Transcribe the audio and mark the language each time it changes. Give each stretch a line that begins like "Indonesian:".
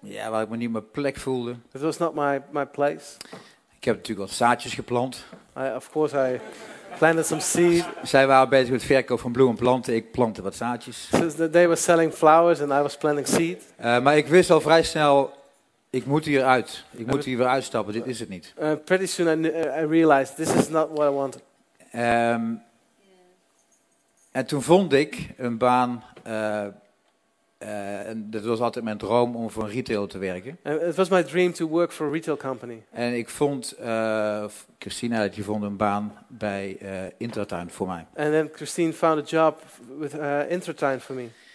Dutch: Waar ik me niet mijn plek voelde.
English: It was not my place.
Dutch: Ik heb natuurlijk wat zaadjes geplant.
English: Of course I planted some seed.
Dutch: Zij waren bezig met verkoop van bloemen en planten. Ik plantte wat zaadjes.
English: So they were selling flowers and I was planting seed.
Dutch: Maar ik wist al vrij snel. Ik moet hier uit. Ik moet hier weer uitstappen. Dit is het niet.
English: Pretty soon I realized this is not what I wanted.
Dutch: En toen vond ik een baan En dat was altijd mijn droom om voor een retail te werken.
English: It was my dream to work for a retail company.
Dutch: En ik vond Christina dat je vond een baan bij Intratuin voor mij.
English: And then Christine found a job with Intratuin for me.